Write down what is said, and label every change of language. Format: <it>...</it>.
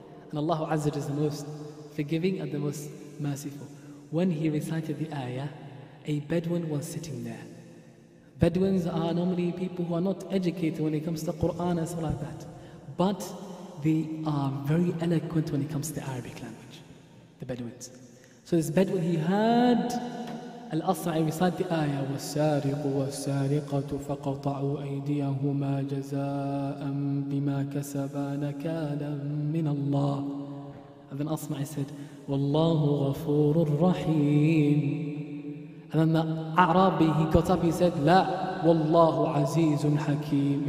<en>And Allah Azza is the most forgiving and the most merciful. When he recited the ayah, a Bedouin was sitting there. Bedouins are normally people who are not educated when it comes to Quran and stuff like that. But they are very eloquent when it comes to the Arabic language, the Bedouins. So this Bedouin, he heard Al-Asma'i recite the ayah,</en> <ar>وَالسَّارِقُ وَالسَّارِقَةُ فَقَطَعُوا أَيْدِيَهُمَا جَزَاءً بِمَا كَسَبَا نَكَالًا مِنَ اللَّهِ.</ar> <en>And then Asma'i said,</en> <ar>وَاللَّهُ غَفُورُ الرَّحِيمُ.</ar> <en>And then the Arabi, he got up, he said,</en> <ar>لا, وَاللَّهُ عَزِيزٌ حَكِيمٌ.</ar>